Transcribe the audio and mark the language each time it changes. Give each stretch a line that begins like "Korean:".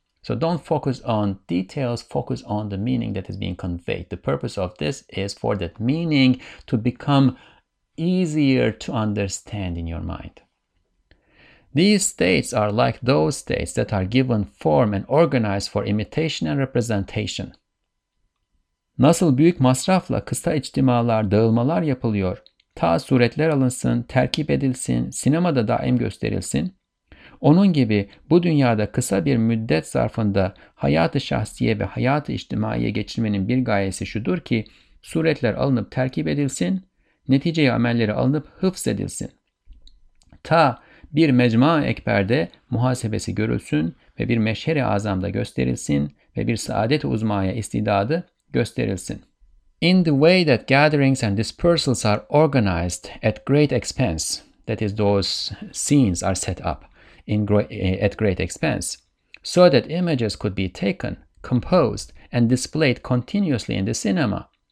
English: So don't focus on details, focus on the meaning that is being conveyed. The purpose of this is for that meaning to become easier to understand in your mind. These states are like those states that are given form and organized for imitation and representation.
Turkish: Nasıl büyük masrafla kısa içtimalar, dağılmalar yapılıyor, ta suretler alınsın, terkip edilsin, sinemada daim gösterilsin, onun gibi bu dünyada kısa bir müddet zarfında hayat-ı şahsiye ve hayat-ı içtimaiye geçirmenin bir gayesi şudur ki, suretler alınıp terkip edilsin, neticeyi amelleri alınıp hıfz edilsin. Ta bir mecma-ı ekberde muhasebesi görülsün ve bir meşher-i azamda gösterilsin ve bir saadet-i uzmaya istidadı gösterilsin.
English: In the way that gatherings and dispersals are organized at great expense, that is, those scenes are set up at great expense, so that images could be taken, composed, and displayed continuously in the cinema.